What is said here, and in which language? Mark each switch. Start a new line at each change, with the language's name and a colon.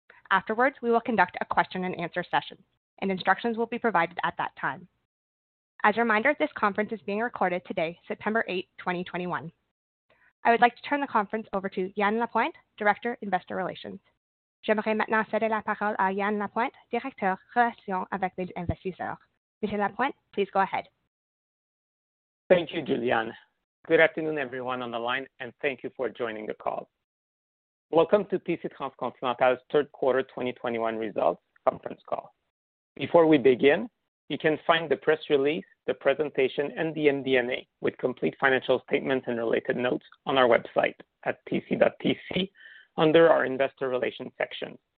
English: Afterwards, we will conduct a question and answer session, and instructions will be provided at that time. As a reminder, this conference is being recorded today, September 8, 2021. I would like to turn the conference over to Yan Lapointe, Director, Investor Relations.
French: J'aimerais maintenant céder la parole à Yan Lapointe, Directeur, Relations avec les investisseurs.
English: Mr. Lapointe, please go ahead. Thank you, Julianne. Good afternoon, everyone on the line, and thank you for joining the call. Welcome to TC Transcontinental's third quarter 2021 results conference call. Before we begin, you can find the press release, the presentation, and the MD&A with complete financial statements and related notes on our website at tc.tc under our investor relations section.